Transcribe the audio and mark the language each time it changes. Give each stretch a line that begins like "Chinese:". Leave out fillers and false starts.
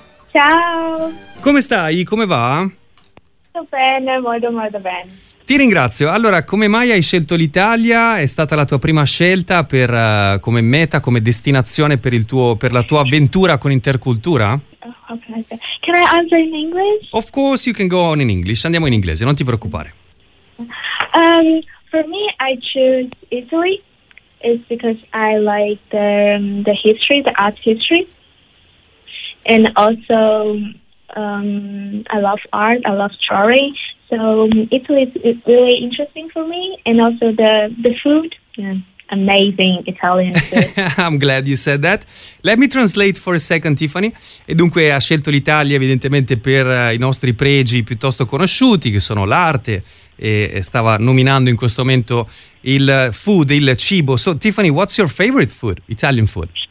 Italian: Ciao! Come stai? Come va? Sto bene, molto molto bene. Ti ringrazio. Allora, come mai hai scelto l'Italia? È stata la tua prima scelta per come meta, come destinazione per la tua avventura con Intercultura?
English: Oh, okay. Can I answer in English? Of course you can go on in English.
Italian: Andiamo in inglese, non ti preoccupare.
English: For me, I choose Italy. It's because I like the history, the art history, and also I love art. I love story. So Italy is really interesting for me, and also the food. Yeah, amazing Italian food. I'm glad you said that. Let me translate for a second, Tiffany.
Italian: E dunque ha scelto l'Italia evidentemente per i nostri pregi piuttosto conosciuti, che sono l'arte. E stava nominando in questo momento il food, il cibo.
English: So Tiffany, what's your favorite food, Italian food?